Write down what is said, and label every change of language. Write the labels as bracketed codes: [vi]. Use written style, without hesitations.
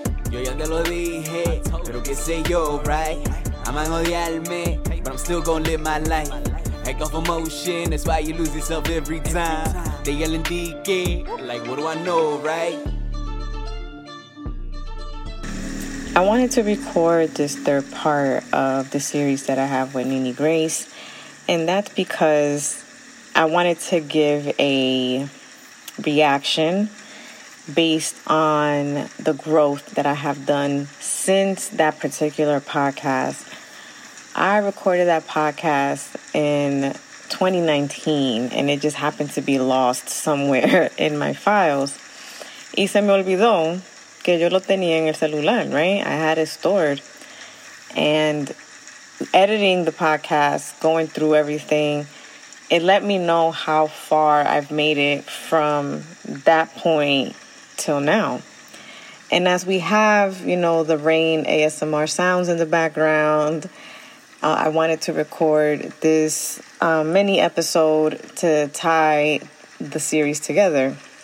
[es] Yo ya te lo dije, pero qué sé yo, [en] right? I'm gonna [es] odiarme, [en] but I'm still gonna live my life. Heck of emotion, that's why you lose yourself every time. They yelling DK, like what do I know, right? I wanted to record this third part of the series that I have with Nene Grace, and that's because I wanted to give a reaction based on the growth that I have done since that particular podcast. I recorded that podcast in 2019, and it just happened to be lost somewhere in my files. [es] Y se me olvidó que yo lo tenía en el celular, [en] right? I had it stored. And editing the podcast, going through everything, it let me know how far I've made it from that point till now. And as we have, you know, the rain ASMR sounds in the background, I wanted to record this mini episode to tie the series together.